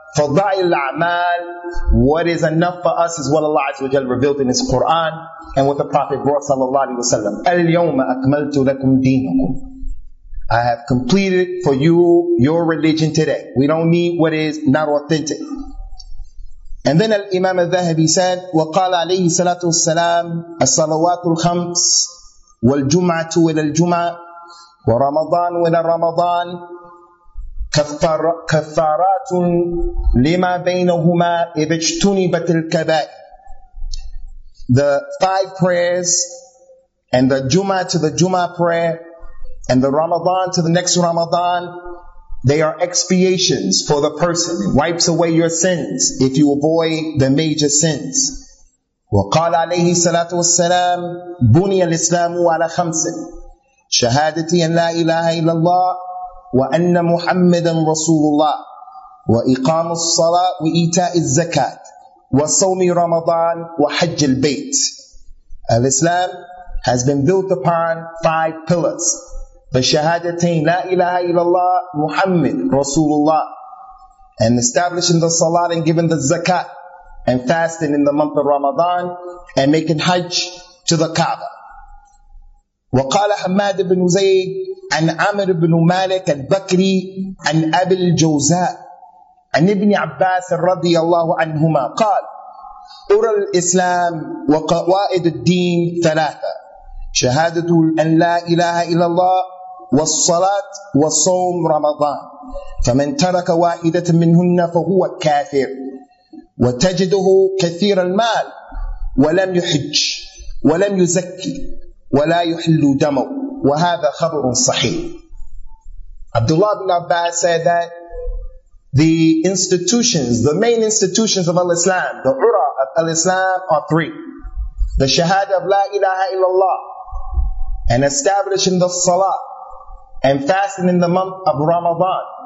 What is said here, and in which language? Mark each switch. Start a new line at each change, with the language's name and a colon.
English: Fadail al-A'mal, what is enough for us is what Allah Azza wa Jalla revealed in His Quran and what the Prophet brought sallallahu alayhi wa sallam. Al-Yawma akmaltu lakum deenakum. I have completed for you your religion today. We don't need what is not authentic. And then Al-Imam al-Dhahabi said,
Arabic: وَقَالَ عَلَيْهِ سَلَاتُ وَالسَّلَامُ الصَّلَوَاتُ الْخَمْسِ وَالْجُمْعَةُ إِلَى الْجُمْعَةِ وَرَمَضَانُ إِلَى الرَّمَضَانِ كَفَّارَاتٌ لِمَا بَيْنَهُمَا إِذَا اجْتُنِبَتِ الْكَبَائِرُ.
English: The five prayers, and the Jum'ah to the Jum'ah prayer, and the Ramadan to the next Ramadan, they are expiations for the person. It wipes away your sins if you avoid the major sins.
Arabic: وقال عليه الصلاة والسلام بني الإسلام على خمس شهادتي أن لا إله إلا الله وأن محمدا رسول الله وإقام الصلاة وإيتاء الزكاة وصوم رمضان وحج البيت.
English: الإسلام has been built upon five pillars. The shahadatain, la ilaha illallah, Muhammad, Rasulullah. And establishing the salat and giving the zakat. And fasting in the month of Ramadan. And making hajj to the Kaaba.
Arabic: وقال حماد بن زيد عن عمر بن مالك البكري عن أبي الجوزاء عن ابن عباس رضي الله عنهما قال أرى الإسلام وقوائد الدين ثلاثة شهادة أن لا إله إلا الله والصلاة والصوم رمضان فمن ترك واحدة منهن فهو كافر وتجده كثير المال ولم يحج ولم يزكي ولا يحل دمه وهذا خبر صحيح.
English: Abdullah bin Abbas said that the institutions, the main institutions of Al-Islam, the Ura of Al-Islam are three. The Shahada of La ilaha illallah, and establishing the Salah, and fasting in the month of Ramadan.